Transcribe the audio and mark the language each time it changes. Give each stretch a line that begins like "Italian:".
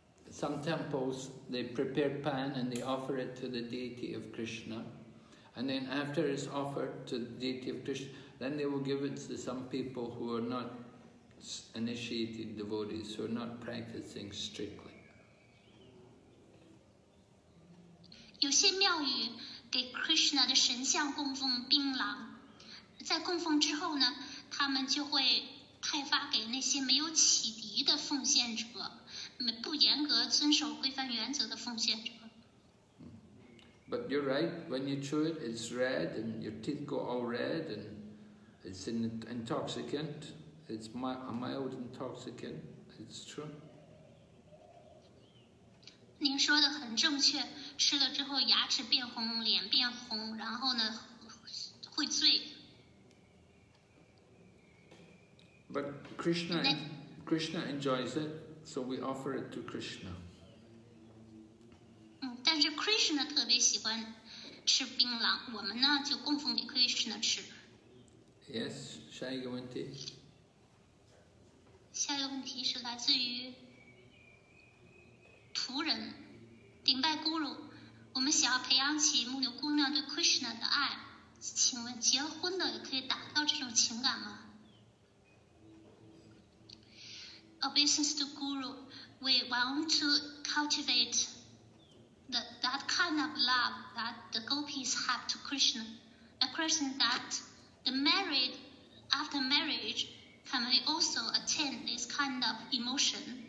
English: Some temples, they prepare pan and they offer it to the deity of Krishna. And then after it's offered to the deity of Krishna, then they will give it to some people who are not initiated devotees, who are not practicing strictly.
Chinese: 有些庙宇 给 Krishna 的神像供奉槟榔, 在供奉之后呢, 他们就会派发给那些没有启迪的奉献者, 不严格遵守规范原则的奉献者。
English: But you're right, when you chew it, it's red, and your teeth go all red, and it's an intoxicant, it's a mild intoxicant, it's true.
Chinese: 您说的很正确, 吃了之后牙齿变红, 脸变红, 然后呢, 会醉。
English: But Krishna enjoys it, so we offer it to Krishna.
Chinese: 但是 Krishna 特别喜欢吃槟榔, 我们呢, 就供奉给 Krishna 吃。
English: Yes,
Chinese: 下一个问题。下一个问题是来自于 仆人, 顶拜咕噜。我们想要培养起牧牛姑娘对 Krishna 的爱, 请问结婚的也可以达到这种情感吗?
English: Obeisance to Guru, we want to cultivate that kind of love that the gopis have to Krishna. A question that the married, after marriage, can we also attain this kind of emotion?